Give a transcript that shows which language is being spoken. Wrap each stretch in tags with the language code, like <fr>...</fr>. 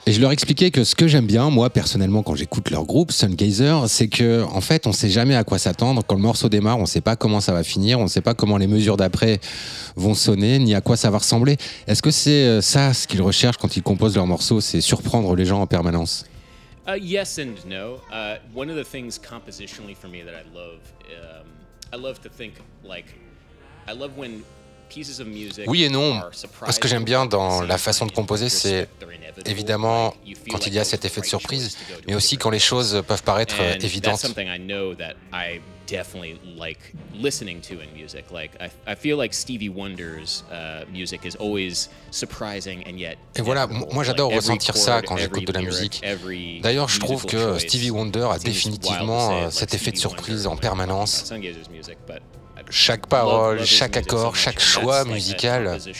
<fr>Et je leur expliquais que ce que j'aime bien, moi personnellement, quand j'écoute leur groupe, Sungazer, c'est que en fait, on ne sait jamais à quoi s'attendre. Quand le morceau démarre, on ne sait pas comment ça va finir, on ne sait pas comment les mesures d'après vont sonner, ni à quoi ça va ressembler. Est-ce que c'est ça ce qu'ils recherchent quand ils composent leurs morceaux, c'est surprendre les gens en permanence ?</fr> <en>Yes and no. One of the things compositionally for me that I love to think like I love when pieces of music.</en> <fr>Oui et non. Ce que j'aime bien dans la façon de composer, c'est évidemment quand il y a cet effet de surprise, mais aussi quand les choses peuvent paraître évidentes.</fr> <en>That's something I know that I definitely like listening to in music. Like I feel like Stevie Wonder's music is always surprising and yet.</en> <fr>Et voilà, moi j'adore ressentir ça quand j'écoute de la musique. D'ailleurs, je trouve que Stevie Wonder a définitivement cet effet de surprise en permanence. Chaque parole, chaque accord, chaque choix musical.</fr>